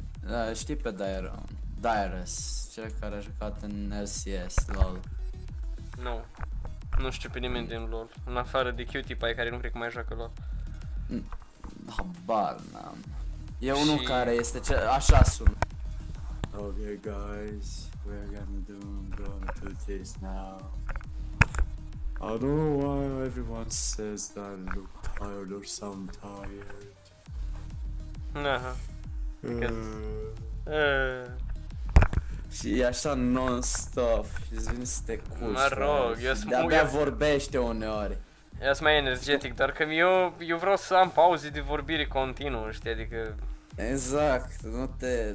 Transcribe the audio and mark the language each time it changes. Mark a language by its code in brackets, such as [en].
[ro] Da, știi pe Dyrus, cel care a jucat în LCS, LOL. Nu, nu știu pe nimeni din LOL, în afară de Cutie Pie care nu cred că mai joacă LOL. Habar n-am. E și... unul care este cel, așa sună. [en] Ok, guys, we are gonna do going to this now. I don't know why everyone says that I look tired or sound tired. Uh-huh. [ro] Și e așa non-stop și îți vine să te cuști. Mă rog, eu sunt... De-abia vorbește uneori. Eu sunt mai energetic, doar că eu vreau să am pauze de vorbire continuu, știi, adică... Exact, nu te...